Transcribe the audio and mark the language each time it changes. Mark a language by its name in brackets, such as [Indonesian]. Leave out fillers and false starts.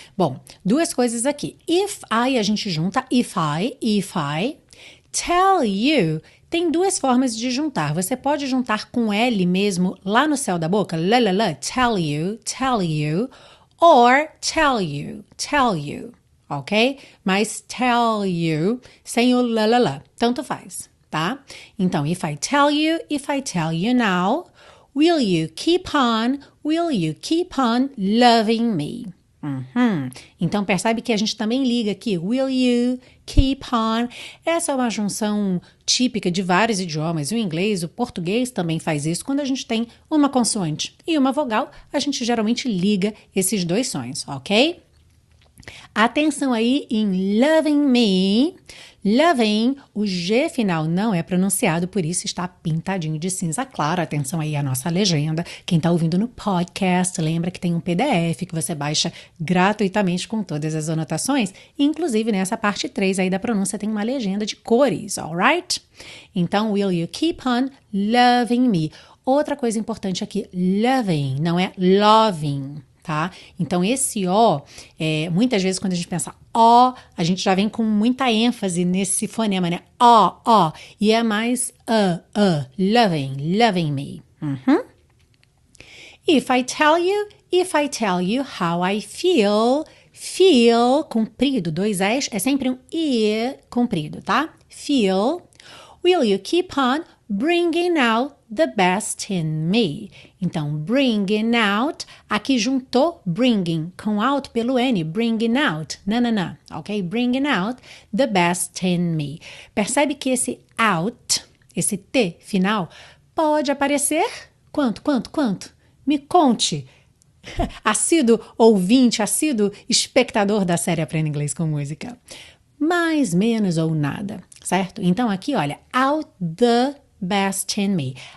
[Portuguese] Bom, duas coisas aqui. [English] If I, [Portuguese] a gente junta [English] if I. Tell you, [Portuguese] tem duas formas de juntar. Você pode juntar com L mesmo lá no céu da boca, la, la, la, [English] tell you, or tell you, [Portuguese] ok? Mas [English] tell you [Portuguese] sem o la, la, la, tanto faz, tá? Então, [English] if I tell you now, will you keep on loving me? Uhum. [Portuguese] Então, percebe que a gente também liga aqui, [English] will you keep on? [Portuguese] Essa é uma junção típica de vários idiomas, o inglês, o português também faz isso. Quando a gente tem uma consoante e uma vogal, a gente geralmente liga esses dois sons, ok? Atenção aí em [English] loving me. [Portuguese] Loving, o G final não é pronunciado, por isso está pintadinho de cinza claro. Atenção aí à nossa legenda. Quem está ouvindo no podcast, lembra que tem um PDF que você baixa gratuitamente com todas as anotações. Inclusive, nessa parte 3 aí da pronúncia tem uma legenda de cores, alright? Então, [English] will you keep on loving me? [Portuguese] Outra coisa importante aqui, loving, não é loving. Tá? Então, esse O, muitas vezes quando a gente pensa O, a gente já vem com muita ênfase nesse fonema, né? O. E é mais [English] loving me. [Portuguese] Uhum. [English] If I tell you how I feel, [Portuguese] comprido, dois S, é sempre um I comprido, tá? [English] Feel, will you keep on bringing out the best in me? [Portuguese] Então, [English] bringing out, [Portuguese] aqui juntou bringing com out pelo N, [English] bringing out, [Portuguese] na, ok? [English] Bringing out the best in me. [Portuguese] Percebe que esse out, esse T final, pode aparecer quanto? Me conte, assíduo ouvinte, assíduo espectador da série Aprenda Inglês com Música. mais, menos ou nada, certo? Então, aqui, olha, [English] out the best in me.